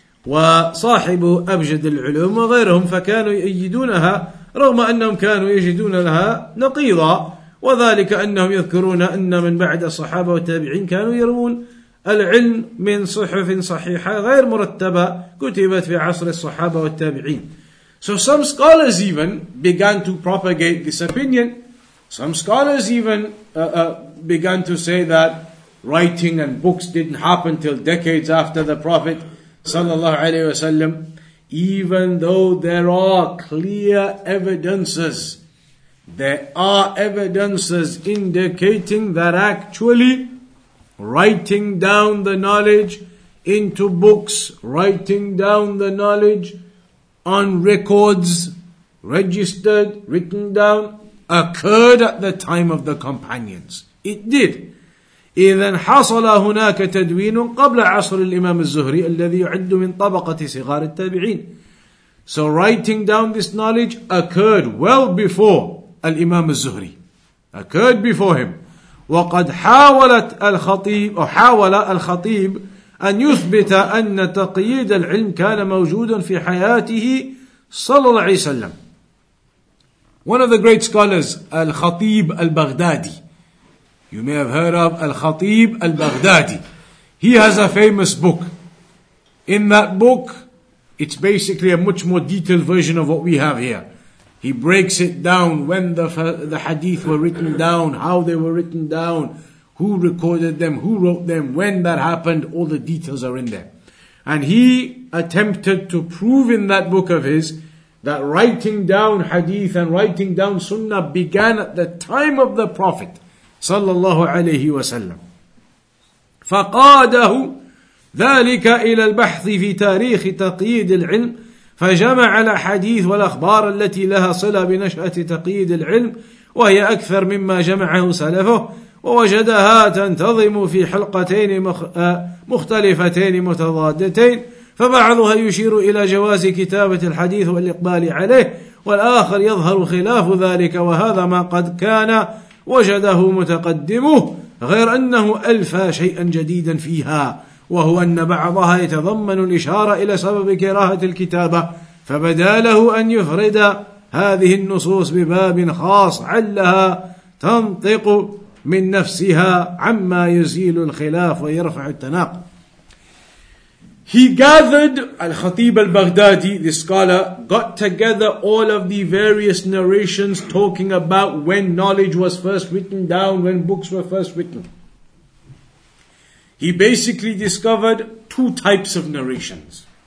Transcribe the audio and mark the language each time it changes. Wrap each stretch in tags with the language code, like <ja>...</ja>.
<ar>وصاحب أبجد العلوم وغيرهم فكانوا يؤيدونها رغم أنهم كانوا يجدون لها نقيضا وذلك أنهم يذكرون أن من بعد الصحابة والتابعين كانوا يروون العلم من صحف صحيحة غير مرتبة كتبت في عصر الصحابة والتابعين.</ar> <en>So some scholars even began to propagate this opinion. Some scholars even began to say that writing and books didn't happen till decades after the Prophet sallallahu alaihi wasallam, even though there are clear evidences, there are evidences indicating that actually writing down the knowledge into books, writing down the knowledge on records, registered, written down, occurred at the time of the companions. It did.</en> <ar>إذن حصل هناك تدوين قبل عصر الإمام الزهري الذي يعد من طبقة صغار التابعين.</ar> <en>So writing down this knowledge occurred well before الإمام الزهري. Occurred before him.</en> <ar>وقد حاولت الخطيب أو حاول الخطيب أن يثبت أن تقييد العلم كان موجودا في حياته صلى الله عليه وسلم.</ar> <en>One of the great scholars, الخطيب البغدادي. You may have heard of Al-Khatib Al-Baghdadi. He has a famous book. In that book, it's basically a much more detailed version of what we have here. He breaks it down, when the hadith were written down, how they were written down, who recorded them, who wrote them, when that happened, all the details are in there. And he attempted to prove in that book of his that writing down hadith and writing down sunnah began at the time of the Prophet صلى الله عليه وسلم</en> <ar>فقاده ذلك إلى البحث في تاريخ تقييد العلم فجمع الأحاديث والأخبار التي لها صلة بنشأة تقييد العلم وهي أكثر مما جمعه سلفه ووجدها تنتظم في حلقتين مختلفتين متضادتين فبعضها يشير إلى جواز كتابة الحديث والإقبال عليه والآخر يظهر خلاف ذلك وهذا ما قد كان وجده متقدمه غير أنه ألفى شيئا جديدا فيها وهو أن بعضها يتضمن الإشارة إلى سبب كراهة الكتابة فبدا له أن يفرد هذه النصوص بباب خاص علها تنطق من نفسها عما يزيل الخلاف ويرفع التناقض.</ar> <en>He gathered, Al-Khatib al-Baghdadi, the scholar, got together all of the various narrations talking about when knowledge was first written down, when books were first written. He basically discovered two types of narrations.</en>